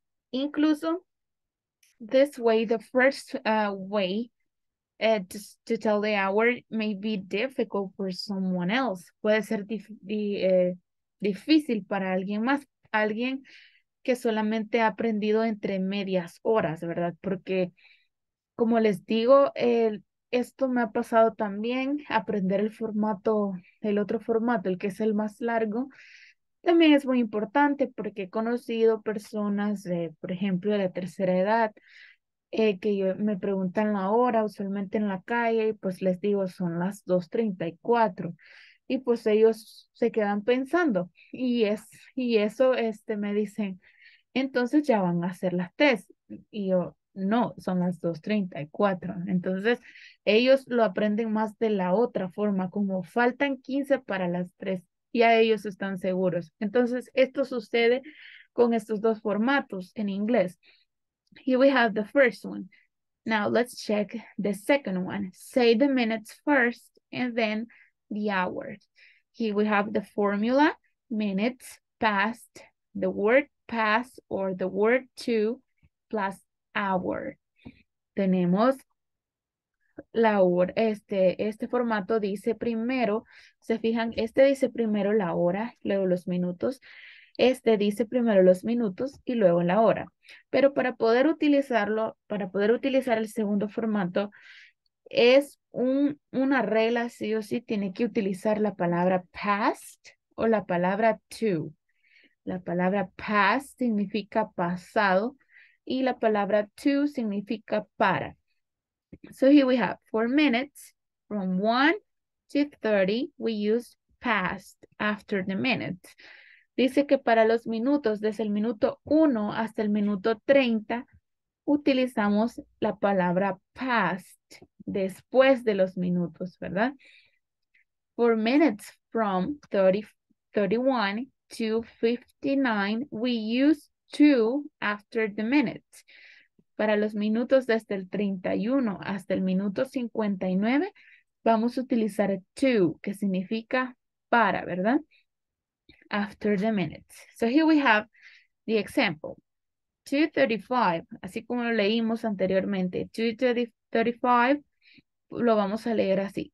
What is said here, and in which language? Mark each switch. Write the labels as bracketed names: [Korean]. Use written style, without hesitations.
[English] Incluso this way, the first way just to tell the hour may be difficult for someone else. [Spanish] Puede ser difícil para alguien más, alguien que solamente ha aprendido entre medias horas, ¿verdad? Porque, como les digo, esto me ha pasado también, aprender el formato, el otro formato, el que es el más largo, también es muy importante porque he conocido personas, por ejemplo, de la tercera edad, que yo, me preguntan la hora, usualmente en la calle, y pues les digo, son las 2:34. Y pues ellos se quedan pensando, y eso me dicen, entonces ya van a hacer las test. Y yo, no, son las 2:34. Entonces ellos lo aprenden más de la otra forma, como faltan 15 para las 3, ya ellos están seguros. Entonces esto sucede con estos dos formatos en inglés. [English] Here we have the first one. Now let's check the second one. Say the minutes first and then the hours. Here we have the formula, minutes past, the word past or the word to plus hour. [Spanish] Tenemos la hora, este formato dice primero, se fijan, este dice primero la hora, luego los minutos, este dice primero los minutos y luego la hora. Pero para poder utilizarlo, para poder utilizar el segundo formato, es una regla, sí o sí, tiene que utilizar la palabra past o la palabra to. La palabra past significa pasado y la palabra to significa para. [English] So here we have 4 minutes from 1 to 30, we use past after the minutes. [Spanish] Dice que para los minutos, desde el minuto 1 hasta el minuto 30, utilizamos la palabra past después de los minutos, ¿verdad? [English] 4 minutes from 31 to 59, we use to after the minutes. [Spanish] Para los minutos desde el 31 hasta el minuto 59, vamos a utilizar to, que significa para, ¿verdad? [English] After the minutes. So here we have the example. [Spanish] 2:35, así como lo leímos anteriormente, 2:35, lo vamos a leer así.